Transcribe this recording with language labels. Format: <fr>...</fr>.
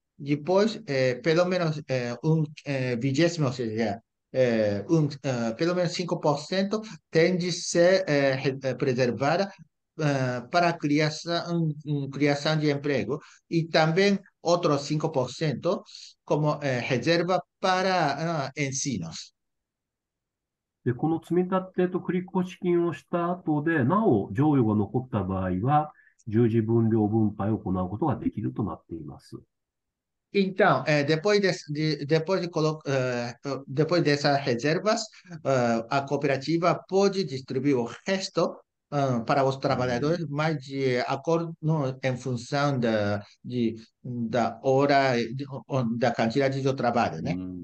<pt>Depois, pelo menos vigésimo, ou seja, pelo menos 5% tende a ser preservada. Para criação de emprego e também outros 5% como reserva para ensinos.</pt> <ja>で、この積み立てと繰越金をした後で、なお、剰余が残った場合は、従事分量分配を行うことができるとなっています。</ja> <pt>Então, depois dessas reservas, a cooperativa pode distribuir o resto. Para os trabalhadores, mas de acordo não, em função da hora da quantidade de trabalho, né?</pt>